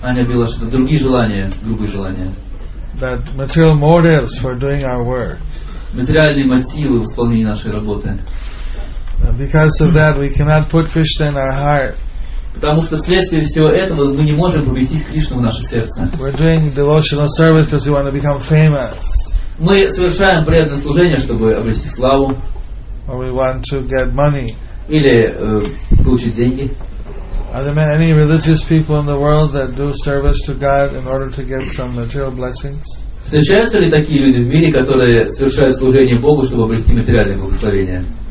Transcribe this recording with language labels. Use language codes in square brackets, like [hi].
[ru] Anya Bilashita, другие желания, грубые желания. [en] That material motives for doing our work. [ru] Материальные мотивы в исполнении нашей работы. [en] Because of that we cannot put Krishna in our heart. [ru] Потому что вследствие всего этого мы не можем поместить Кришну в наше сердце. [en] We're doing devotional service because we want to become famous. [ru] Мы совершаем преданное служение, чтобы обрести славу. [en] Or we want to get money. [ru] Или получить деньги. [en] Are there any religious people in the world that do service to God in order to get some material blessings? [ru] Встречаются ли такие люди в мире, которые совершают служение Богу, чтобы обрести материальное благословение?